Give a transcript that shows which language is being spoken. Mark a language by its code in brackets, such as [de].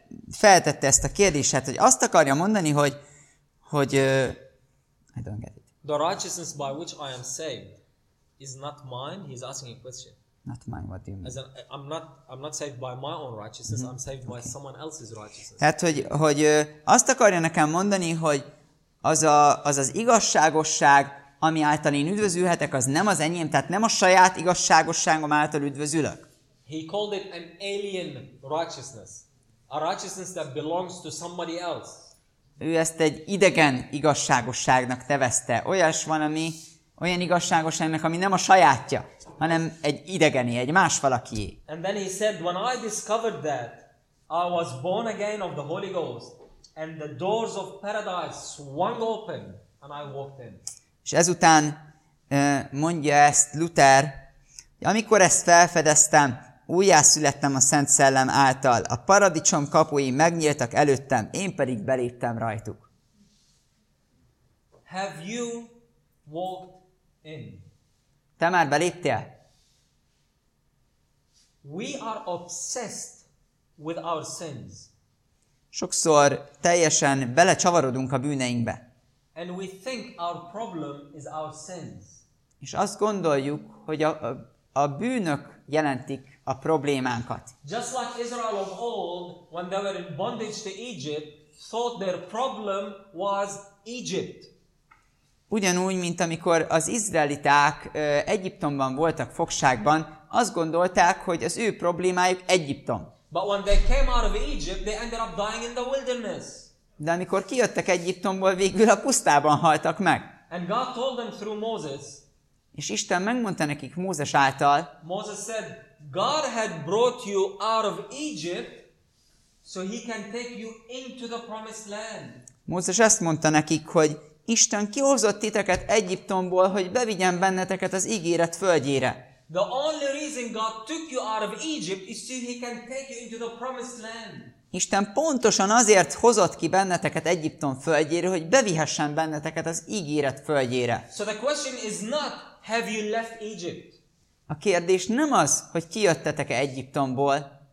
[hu] Feltette ezt a kérdést, hogy azt akarja mondani, hogy [en] I don't get it. The righteousness by which I am saved is not mine. He's asking a question. Not mine, what do you mean? I'm not saved by my own righteousness. Mm-hmm. I'm saved okay. by someone else's righteousness. [hu] Hát hogy azt akarja nekem mondani, hogy az igazságosság, ami által én üdvözülhetek, az nem az enyém, tehát nem a saját igazságosságom által üdvözülök. [en] He called it an alien righteousness. A righteousness that belongs to somebody else. [hu] Ő ezt egy idegen igazságosságnak nevezte. Olyas van, ami olyan igazságosságnak, ami nem a sajátja, hanem egy idegeni, egy más valakié. [en] And then he said, when I discovered that, I was born again of the Holy Ghost, and the doors of paradise swung open, and I walked in. [hu] És ezután mondja ezt Luther, hogy amikor ezt felfedeztem, újjászülettem a Szent Szellem által, a paradicsom kapuim megnyíltak előttem, én pedig beléptem rajtuk. [en] Have you walked in? [hu] Te már beléptél? [en] We are obsessed with our sins. [hu] Sokszor teljesen belecsavarodunk a bűneinkbe. [en] And we think our problem is our sins. [hu] És azt gondoljuk, hogy a bűnök jelentik a problémánkat. [en] Just like Israel of old, when they were in bondage to Egypt, thought their problem was Egypt. [hu] Ugyanúgy, mint amikor az izraeliták Egyiptomban voltak fogságban, azt gondolták, hogy az ő problémájuk Egyiptom. [en] But when they came out of Egypt, they ended up dying in the wilderness. [hu] De amikor kijöttek Egyiptomból, végül a pusztában haltak meg. [en] And God told them through Moses. [hu] És Isten megmondta nekik Mózes által. [en] Moses said, God had brought you out of Egypt, so he can take you into the promised land. [hu] Mózes ezt mondta nekik, hogy Isten kihozott titeket Egyiptomból, hogy bevigyen benneteket az ígéret földjére. [en] The only reason God took you out of Egypt is so he can take you into the promised land. [hu] Isten pontosan azért hozott ki benneteket Egyiptom földjére, hogy bevihessen benneteket az ígéret földjére. [en] So the question is not, have you left Egypt? [hu] A kérdés nem az, hogy kijöttetek-e Egyiptomból.